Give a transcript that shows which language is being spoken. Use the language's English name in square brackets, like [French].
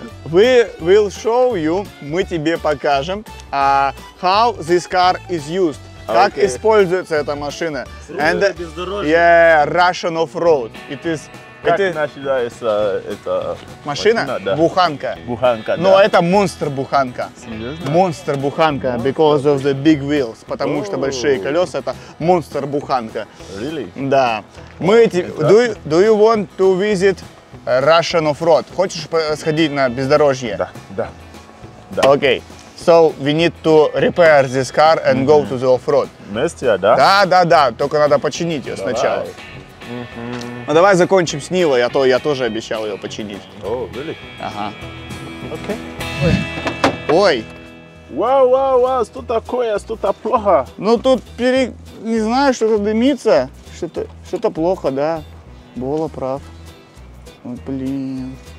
[English] We will show you, [Russian] мы тебе покажем, [English] how this car is used. [Russian] Как okay. используется эта машина. And, бездорожье. [English] Yeah, Russian off-road. It is... [Russian] Как это... начинается эта машина? Машина? Да. Буханка. Буханка, но да. это монстр-буханка. Серьезно? Монстр-буханка, monster. [English] Because of the big wheels. [Russian] Потому что большие колеса, это монстр-буханка. [English] Really? [Russian] Да. [English] Мы do you want to visit Russian off-road? [Russian] Хочешь сходить на бездорожье? Да. Да. Да. Окей. [English] So we need to repair this car and mm-hmm. go to the off-road. [Russian] Вместе, да? Да, да, да. Только надо починить ее давай. Сначала. Mm-hmm. Ну давай закончим с Нилой, а то я тоже обещал ее починить. [English] О, oh, really? [Russian] Ага. Окей. [English] Okay. Ой. [Russian] Вау, вау, вау, что такое? Что-то плохо. Ну тут не знаю, что-то дымится. Что-то плохо, да. Бола прав. Ой, блин.